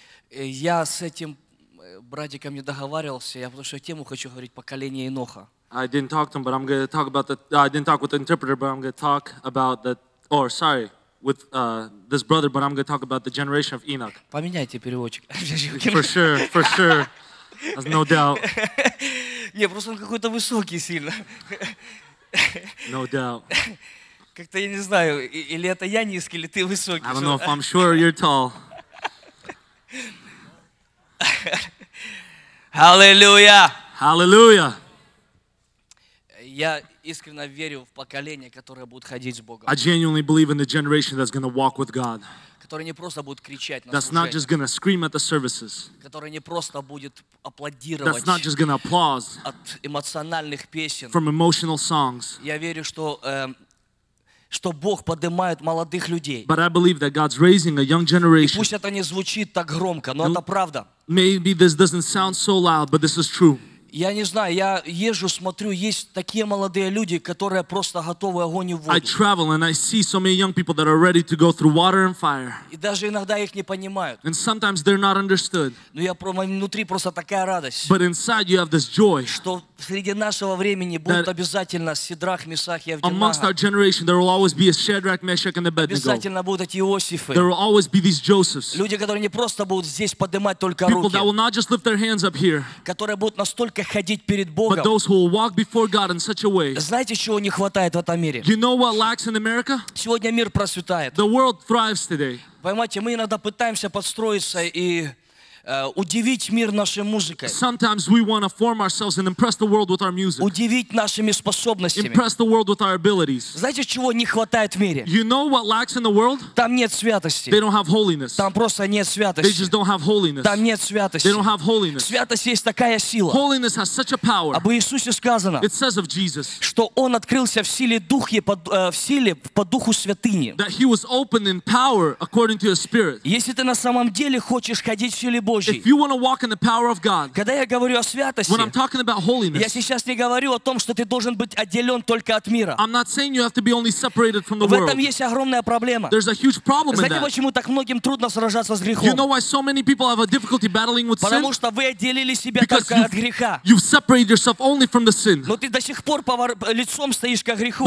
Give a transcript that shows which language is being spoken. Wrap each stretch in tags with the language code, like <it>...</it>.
<ru>Я с этим братиком не договаривался, я потому что тему хочу говорить поколение Еноха.</ru> <en>I didn't talk to him, but I'm going to talk about the. I didn't talk with the interpreter, but I'm going to talk about the. Or sorry, with this brother, but I'm going to talk about the generation of Enoch.</en> <ru>Поменяйте переводчик.</ru> <en>For sure. There's no doubt.</en> <ru>Не, просто он какой-то высокий сильно.</ru> <en>No doubt.</en> <ru>Как-то я не знаю, или это я низкий, или ты высокий.</ru> <en>I don't know if I'm sure you're tall. Hallelujah. Hallelujah.</en> <ru>Я искренне верю в поколение, которое будет ходить с Богом.</ru> <en>I genuinely believe in the generation that's going to walk with God.</en> <ru>Которые не просто будут кричать на</ru> <en>That's not just going to scream at the services.</en> <ru>Которые не просто будут аплодировать.</ru> <en>That's not just going to applaud.</en> <ru>От эмоциональных песен.</ru> <en>From emotional songs.</en> <ru>Я верю, что что Бог поднимает молодых людей.</ru> <en>But I believe that God's raising a young generation.</en> <ru>И пусть это не звучит так громко, но это правда.</ru> <en>Maybe this doesn't sound so loud, but this is true.</en> <ru>Я не знаю, я езжу, смотрю, есть такие молодые люди, которые просто готовы огонь и воду.</ru> <en>I travel and I see so many young people that are ready to go through water and fire.</en> <ru>И даже иногда их не понимают.</ru> <en>And sometimes they're not understood.</en> <ru>Но я внутри просто такая радость.</ru> <en>But inside you have this joy.</en> <ru>Что среди нашего времени будут обязательно Сидрах, Месах и Авденаго.</ru> <en>Amongst our generation there will always be a Shadrach, Meshach and Abednego.</en> <ru>Обязательно будут эти Иосифы.</ru> <en>There will always be these Josephs.</en> <ru>Люди, которые не просто будут здесь поднимать только</ru> <en>руки. People that will not just lift their hands up here.</en> <ru>Которые будут настолько ходить перед Богом.</ru> <en>But those who will walk before God in such a way.</en> <ru>Знаете, чего не хватает в этом мире?</ru> <en>You know what lacks in America?</en> <ru>Сегодня мир процветает.</ru> <en>The world thrives today.</en> <ru>Понимаете, мы иногда пытаемся подстроиться и удивить мир нашей музыкой.</ru> <en>Sometimes we want to form ourselves and impress the world with our music.</en> <ru>Удивить нашими способностями.</ru> <en>Impress the world with our abilities.</en> <ru>Знаете, чего не хватает в мире?</ru> <en>You know what lacks in the world?</en> <ru>Там нет святости.</ru> <en>They don't have holiness.</en> <ru>Там просто нет святости.</ru> <en>They just don't have holiness.</en> <ru>Там нет святости.</ru> <en>They don't have holiness.</en> <ru>Святость есть такая сила.</ru> <en>Holiness has such a power.</en> <ru>Об Иисусе сказано.</ru> <en>It says of Jesus.</en> <ru>Что он открылся в силе духе в силе по духу святыни.</ru> <en>That he was opened in power according to his spirit.</en> <ru>Если ты на самом деле хочешь ходить в силе Божьей.</ru> <en>If you want to walk in the power of God,</en> <ru>когда я говорю о святости,</ru> <en>when I'm talking about holiness,</en> <ru>я сейчас не говорю о том, что ты должен быть отделен только от мира.</ru> <en>I'm not saying you have to be only separated from the</en> <ru>в</ru> <en>world.</en> <ru>В этом есть огромная проблема.</ru> <en>There's a huge problem</en> <ru>Знаете, Знаете, почему так многим трудно сражаться с грехом?</ru> <en>You know why so many people have a difficulty battling with</en> <ru>Потому Потому что вы отделили себя</ru> <en>Because</en> <ru>только от греха.</ru> <en>You've separated yourself only from the sin.</en> <ru>Но ты до сих пор лицом стоишь к греху.</ru>